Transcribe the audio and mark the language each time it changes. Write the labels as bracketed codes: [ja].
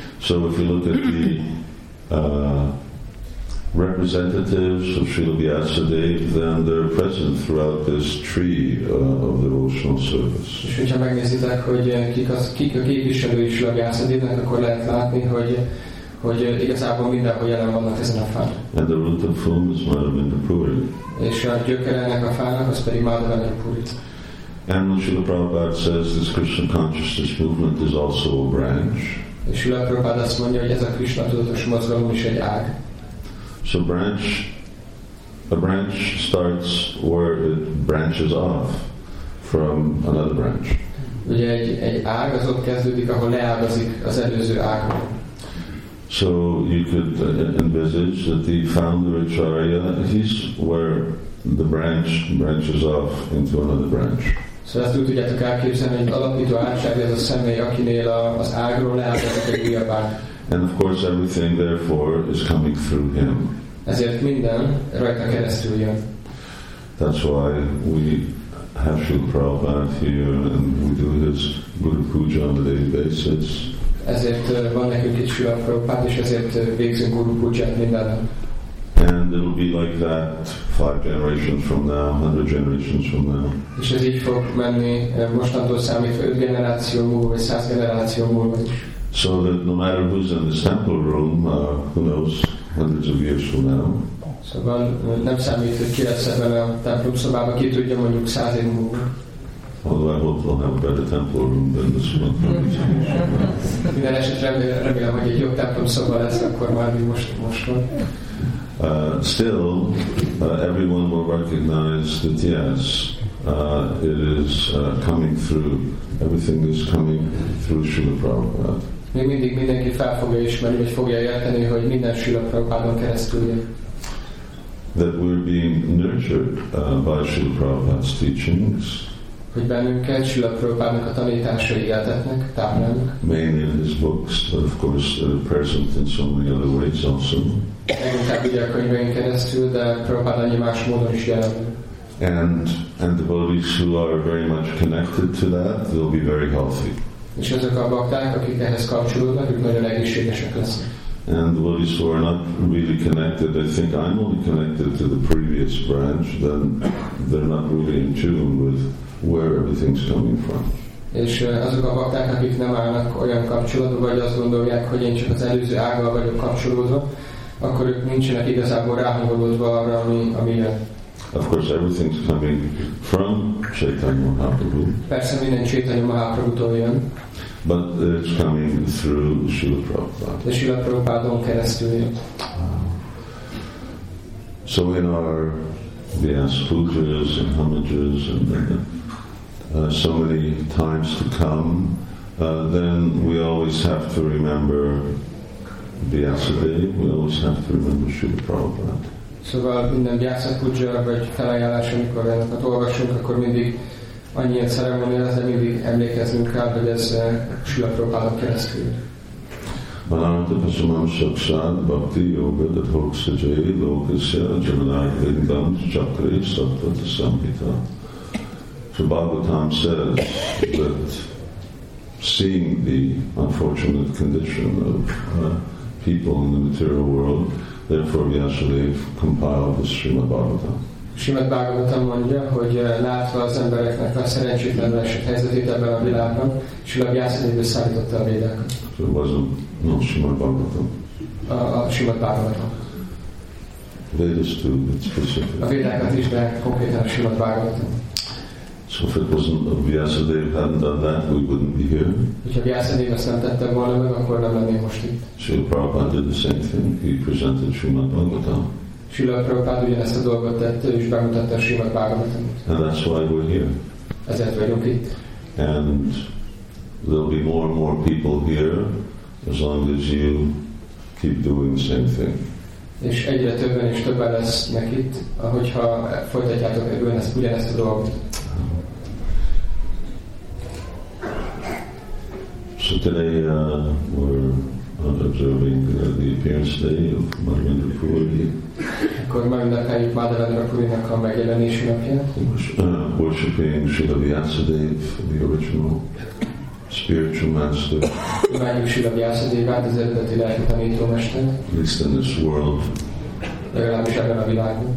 [en] So if you look at the representatives of Srila Vyasadeva, then they're present throughout this tree of the devotional service. [hu] És hogyha megnézitek, hogy kik a képviselői Srila Vyasadevának, akkor lehet látni, hogy hogy igazából mindenhol jelen vannak ezen a fán. [en] And the root of foam is Madhavendrapuri. [hu] És a gyökere ennek a fának, az pedig Madhavendrapuri. [en] And Srila Prabhupada says this Krishna consciousness movement is also a branch. [hu] És Srila Prabhupada azt mondja, hogy ez a Krishna tudatos mozgalom is egy ág. [en] So branch, a branch starts where it branches off from another branch. [hu] Ugye egy ág az ott kezdődik, ahol leágazik az előző ágból. [en] So you could envisage that the founder Acharya, he's where the branch branches off into another branch. [hu] So ezt úgy tudjátok elképzelni, hogy alapító Acharya az a személy, akinél az ágról leágazik egy újabb ág. [en] And of course everything therefore is coming through him. [hu] Ezért minden rajta keresztül jön. [en] That's why we have Srila Prabhupada here and we do his Guru Puja on a daily basis. [hu] Ezért van nekünk itt Srila Prabhupada, és ezért végzünk Guru Pujat minden. [en] And it'll be like that 5 generations from now, 100 generations from now. [hu] És ez így fog menni mostantól számítva 5 generáció múlva, vagy 100 generáció múlva is. [en] So that no matter who's in the temple room, who knows, hundreds of years from now. [hu] So van, nem számít, hogy ki lesz ebben a templom szobában, ki tudja mondjuk 100 év múlva. [en] Although I hope we'll have a better temple room than this one. [hu] Minden eset remélem, hogy egy jobb templom szoba lesz, akkor már mi most van. [en] Still, everyone will recognize that yes, it is coming through. Everything is coming through Srila Prabhupada. [hu] Még mindig mindenki fel fogja ismerni, vagy fogja érteni, hogy minden Srila Prabhupádon keresztül jön. [en] That we're being nurtured by Srila Prabhupada's teachings. [hu] Hogy bennünket Srila Prabhupádnak a tanításai éltetnek, táplálnak. [en] Mainly in his books, but of course present in so many other ways also. [hu] Leginkább ugye a könyvein keresztül, de Prabhupád annyi más módon is jelen. [en] And the devotees who are very much connected to that, they'll be very healthy. [hu] És ezek a bakták, akik ehhez kapcsolódnak, ők nagyon egészségesek lesznek. [en] And the devotees who are not really connected, I think I'm only connected to the previous branch, then they're not really in tune with where everything's coming from. [hu] És azok a bakták, akik nem állnak olyan kapcsolatban, vagy azt gondolják, hogy én csak az előző ággal vagyok kapcsolódva, akkor ők nincsenek igazából ráhangolódva arra, ami jön. [en] Of course, everything's coming from Chaitanya Mahaprabhu. [hu] Persze minden Chaitanya Mahaprabhutól jön. [en] But it's coming through Srila Prabhupada. [hu] Srila Prabhupádon keresztül jön. [en] So in our Vyasa pujas and homages and so many times to come, then we always have to remember Vyasadeva. We always have to remember Srila Prabhupada. [hu] Szóval minden Vyasa Puja vagy felajánlás, amikor ennek olvasunk, akkor mindig annyi ceremónia lesz, de mindig emlékezünk rá, hogy ez Srila Prabhupádon keresztül. [sa] Manarata pasumam sakshad bhakti yoga dadhoksa jai lokasya jamanai vindam chakri sattvata samhita. [en] So Bhagavatam says that seeing the unfortunate condition of people in the material world, therefore, Vyasadeva compiled the Srimad Bhagavatam. [hu] Srimad Bhagavatam mondja, hogy látva az embereknek a szerencsétlen helyzetét ebben a világban, Srimad Vyasadeva szállította a védákat. [en] So it wasn't Srimad Bhagavatam. [hu] A Srimad Bhagavatam. [en] Védas too, it's specific. [hu] A védákat is, de konkrétan a Srimad Bhagavatam. [en] So if it wasn't Vyasadeva hadn't done that, we wouldn't be here. [hu] Hogyha Vyasadeva ezt nem tette volna meg, akkor nem lennénk most itt. [en] Srila Prabhupada did the same thing. He presented Srimad Bhagavatam. [hu] Srila Prabhupada ugyanezt a dolgot tette, és bemutatta a Srimad Bhagavatam. [en] And that's why we're here. [hu] Ezért vagyunk itt. [en] And there'll be more and more people here as long as you keep doing the same thing. [hu] És egyre többen és többen lesznek itt, ahogyha folytatjátok ugyanezt a dolgot. [en] So today we're observing the appearance day of Madhavendrapuri. [hu] Akkor ma ünnepeljük Madhavendrapurinak a megjelenési napját. [en] Worshipping Srila Vyasadeva, the original spiritual master. [hu] Imádjuk Srila Vyasadevát, az eredeti lelki tanítómestert. [en] At least in this world. [hu] Legalábbis ebben a világban.